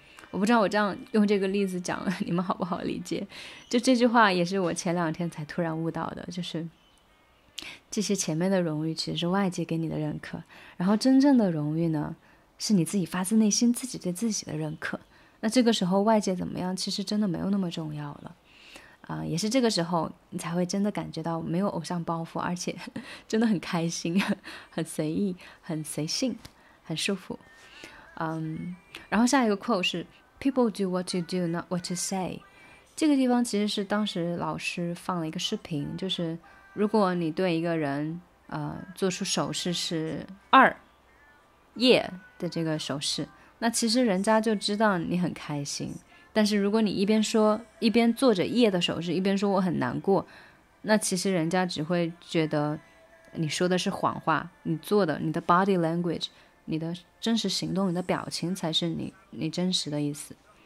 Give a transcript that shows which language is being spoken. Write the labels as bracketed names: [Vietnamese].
[Chinese] 我不知道我这样用这个例子讲你们好不好理解，就这句话也是我前两天才突然悟到的，就是这些前面的荣誉其实是外界给你的认可，然后真正的荣誉呢是你自己发自内心自己对自己的认可，那这个时候外界怎么样其实真的没有那么重要了，也是这个时候你才会真的感觉到没有偶像包袱，而且真的很开心，很随意，很随性，很舒服。然后下一个 quote 是 [English] People do what you do, not what you say。 [Chinese] 这个地方其实是当时老师放了一个视频，就是如果你对一个人做出手势是二耶的这个手势，那其实人家就知道你很开心，但是如果你一边说一边做着耶的手势一边说我很难过，那其实人家只会觉得你说的是谎话，你做的你的 body language 你的真实行动你的表情才是你真实的意思。